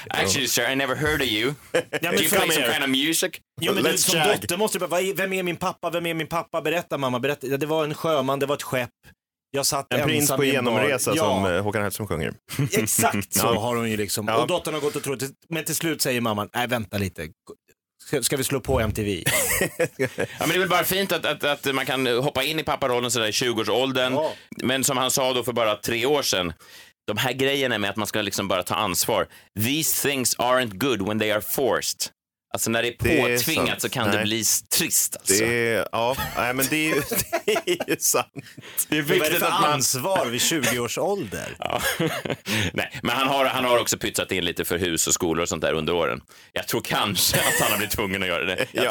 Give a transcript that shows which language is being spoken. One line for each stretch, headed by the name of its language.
English: Actually, sir, I never heard of you. Do you play some kind of music?
Swedish: Ja, men du, som dotter måste du bara, vem är min pappa? Vem är min pappa? Berätta, mamma, berätta. Ja, det var en sjöman, det var ett skepp. Jag satt en prins på genomresa, ja, som Håkan Hellström sjunger. Exakt så har hon ju liksom. Ja. Och dottern har gått och trott. Men till slut säger mamman, nej, vänta lite. Ska vi slå på MTV? Ja, men det är väl bara fint att man kan hoppa in i papparollen sådär i 20-årsåldern. Ja. Men som han sa då för bara 3 år sedan, de här grejerna med att man ska liksom bara ta ansvar.
English: These things aren't good when they are forced.
Swedish: Alltså när det är påtvingat, det är så kan det bli trist. Alltså. Det är ju sant. Det är viktigt att man ansvar vid 20 års ålder. Nej, men han har också pytsat in lite för hus och skolor och sånt där under åren. Jag tror kanske att han har blivit tvungen att göra det.